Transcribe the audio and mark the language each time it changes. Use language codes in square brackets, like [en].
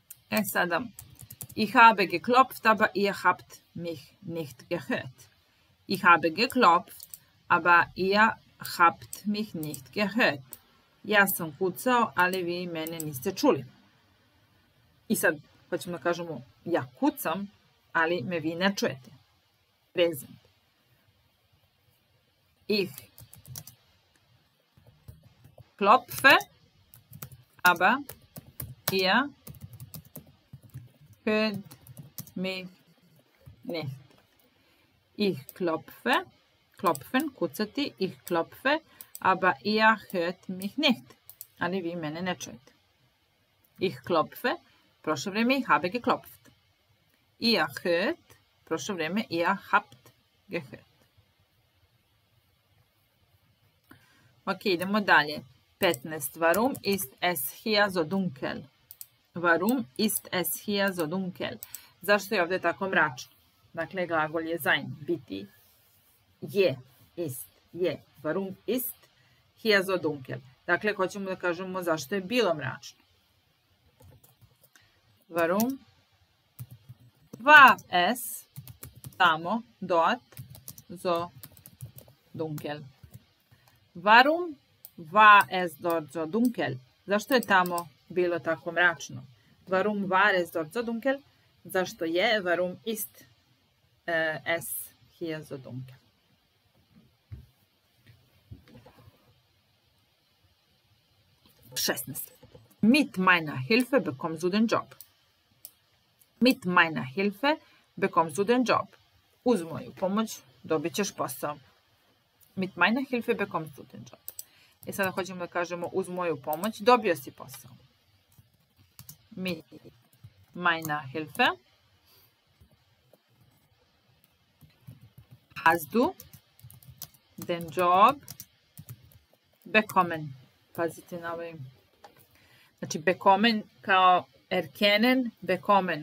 [sr] E sada, [de] ich habe geklopft, aber ihr habt mich nicht gehört. Ich habe geklopft, aber ihr habt mich nicht gehört. [sr] Ja sam kucao, ali vi mene niste čuli. I sad, hoćemo da kažemo, ja kucam, ali me vi ne čujete. [en] Present. [de] Ich klopfe, aber ihr hört mich nicht. Ich klopfe, klopfen, kucati, ich klopfe, aber ihr hört mich nicht. [sr] Ali vi mene ne čujete. [de] Ich klopfe, [sr] prošlo vreme, [de] ich habe geklopft. Ihr hört, [sr] prošlo vreme, [de] ihr habt gehört. [sr] Ok, idemo dalje. [de] 15. Warum ist es hier so dunkel? Warum ist es hier so dunkel? [sr] Zašto je ovde tako mračno? Dakle, glagol je sein, biti, je [de] ist, [sr] je, [de] warum ist hier so dunkel? [sr] Dakle, hoćemo da kažemo zašto je bilo mračno. [de] Warum war es tamo, dort, so dunkel? Warum war es dort so dunkel? [sr] Zašto je tamo bilo tako mračno? [de] Warum war es dort so dunkel? [sr] Zašto je, [de] warum ist es hier so dunkel? Mit meiner Hilfe bekommst du den Job. Mit meiner Hilfe bekommst du den Job. [sr] Uz moju pomoć dobit ćeš posao. [de] Mit meiner Hilfe bekommst du den Job. [sr] I sada hoćemo da kažemo uz moju pomoć dobio si posao. [de] Mit meiner Hilfe hast du den Job bekommen. [sr] Pazite na ovaj. Znači, bekommen kao erkennen, bekommen.